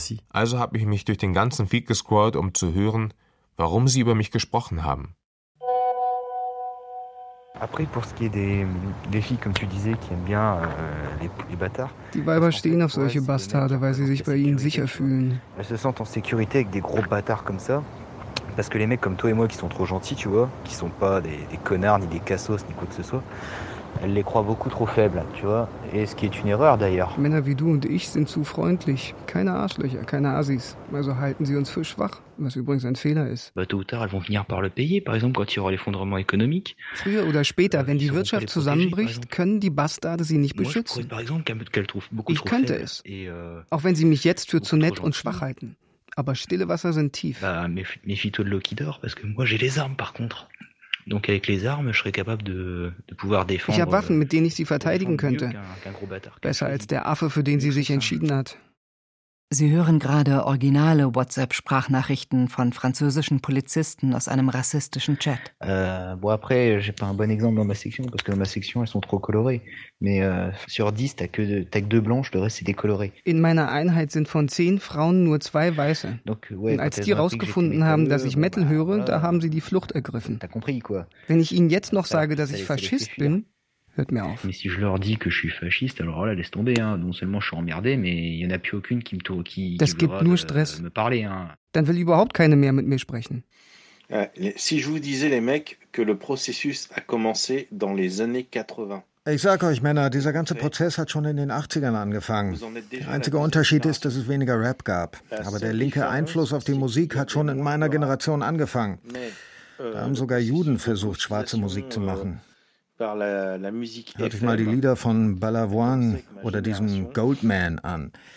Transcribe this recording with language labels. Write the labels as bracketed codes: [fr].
[de] Also habe ich mich durch den ganzen Feed gescrollt, um zu hören, warum sie über mich gesprochen haben. Die Weiber stehen auf solche Bastarde, weil sie sich bei ihnen sicher fühlen. Sie sind in Sicherheit mit großen Bastarden wie so. [fr] Parce que les mecs comme toi et moi qui sont trop gentils, tu vois, qui sont pas des connards, ni des cassos, ni quoi que ce soit, elles les croient beaucoup trop faibles, tu vois. Et ce qui est une erreur d'ailleurs. [de] Männer wie du und ich sind zu freundlich. Keine Arschlöcher, keine Assis. Also halten sie uns für schwach, was übrigens ein Fehler ist. [fr] Bah, tôt ou tard, elles vont finir par le payer, par exemple, quand il y aura l'effondrement économique. [de] Früher oder später, wenn die Wirtschaft zusammenbricht, können die Bastarde sie nicht beschützen. Ich könnte es. Auch wenn sie mich jetzt für zu nett und schwach halten. Aber stille Wasser sind tief. [fr] Bah, méfie-toi de l'eau qui dort, parce que moi j'ai les armes par contre. Donc avec les armes, je serais capable de pouvoir défendre. [de] Ich habe Waffen, mit denen ich sie verteidigen könnte. Besser als der Affe, für den sie sich entschieden hat. Sie hören gerade originale WhatsApp-Sprachnachrichten von französischen Polizisten aus einem rassistischen Chat. [fr] Bon après, j'ai pas un bon exemple dans ma section, parce que dans ma section, elles sont trop colorées. Mais sur 10, t'as que 2 blanches, le reste c'est décoloré. [de] In meiner Einheit sind von 10 Frauen nur 2 weiße. [fr] Donc, ouais, [de] und als die rausgefunden haben, dass ich Metal höre, da haben sie die Flucht ergriffen. [fr] T'as compris, quoi. [de] Wenn ich ihnen jetzt noch sage, dass ich Faschist bin, hört mir auf. [fr] Mais si je leur dis que je suis fasciste, alors là, laisse tomber, hein. Non seulement je suis emmerdé, mais il y en a plus aucune qui me tourne, qui me parle. Me parler, hein. [de] Dann will überhaupt keine mehr mit mir sprechen. [fr] Si je vous disais, les mecs, que le processus a commencé dans les années 80. [de] Ich sag euch, Männer, dieser ganze Prozess hat schon in den 80ern angefangen. Der einzige Unterschied ist, dass es weniger Rap gab. Aber der linke Einfluss auf die Musik hat schon in meiner Generation angefangen. Da haben sogar Juden versucht, schwarze Musik zu machen. Hört euch mal die Lieder von Balavoine oder diesem Goldman an.